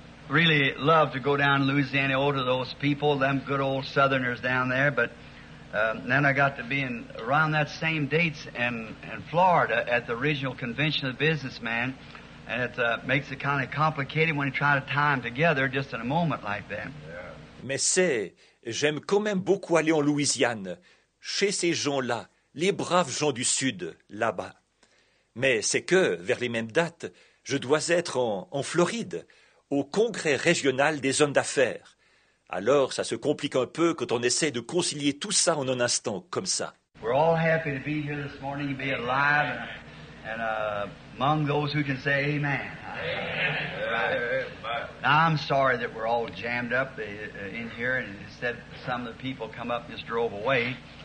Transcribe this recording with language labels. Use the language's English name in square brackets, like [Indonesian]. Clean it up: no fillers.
[English] Really love to go down to Louisiana, all to those people, them good old southerners down there, but... Then I got to be in around that same dates in Florida at the original convention of the businessmen, and it makes it kind of complicated when you try to tie them together just in a moment like that. [French] Mais c'est, j'aime quand même beaucoup aller en Louisiane, chez ces gens-là, les braves gens du Sud, là-bas. Mais c'est que, vers les mêmes dates, je dois être en Floride, au congrès régional des hommes d'affaires. Alors, ça se complique un peu quand on essaie de concilier tout ça en un instant, comme ça. [English] We're all happy to be here this morning, to be alive, and among those who can say amen. Amen. Right. Now, I'm sorry that we're all jammed up in here, and instead some of the people come up and just drove away.